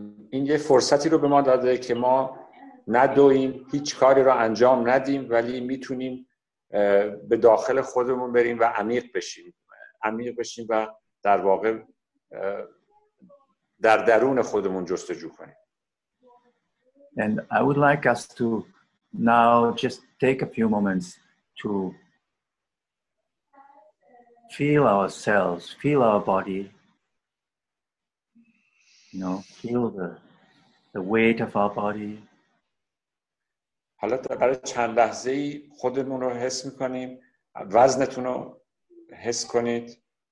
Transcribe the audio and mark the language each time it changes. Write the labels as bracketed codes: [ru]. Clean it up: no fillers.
[fa] این یه فرصتی رو به ما داده که ما ندویم، هیچ کاری رو انجام ندیم، ولی میتونیم به داخل خودمون بریم و عمیق بشیم و در واقع در درون خودمون جستجو کنیم. [en] And I would like us to now just take a few moments to feel ourselves, feel our body, you know, feel the weight of our body. [fa] حالا برای چند لحظه ای خودمون رو حس میکنیم، وزنتون رو حس کنید.